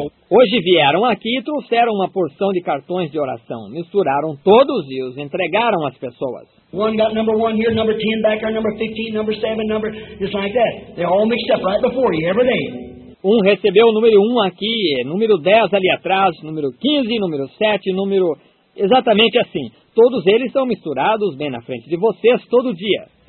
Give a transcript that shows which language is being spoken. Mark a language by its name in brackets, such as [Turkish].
[Portuguese] Hoje vieram aqui e trouxeram uma porção de cartões de oração. Misturaram todos e os entregaram às pessoas. [English] One got number one here, number 10 back there, number 15, number 7, number just like that. They're all mixed up right before you every day. [Portuguese] Um recebeu o número 1 aqui, número 10 ali atrás, número 15, número 7, número exatamente assim. Todos eles são misturados bem na frente de vocês todo dia.